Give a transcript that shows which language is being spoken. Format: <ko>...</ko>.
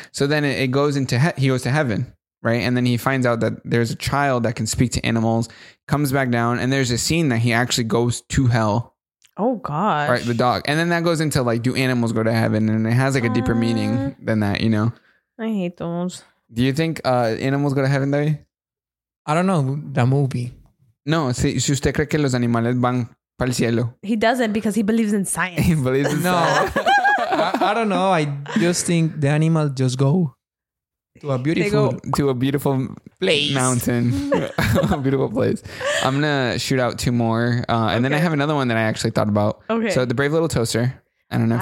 <en>So then it goes into he goes to heaven, right? And then he finds out that there's a child that can speak to animals, comes back down, and there's a scene that he actually goes to hell. Oh gosh. Right, the dog. And then that goes into like, do animals go to heaven? And it has like a deeper meaning than that, you know? I hate those. Do you think animals go to heaven, though? I don't know. The movie.</en> <es>No, si usted cree que los animales van para el cielo.</es> <en>He doesn't because he believes in science. He believes in science. No. I don't know. I just think the animals just go to a beautiful place. Mountain. A beautiful place. I'm gonna shoot out two more. And then I have another one that I actually thought about. Okay. So The Brave Little Toaster. I don't know if</en>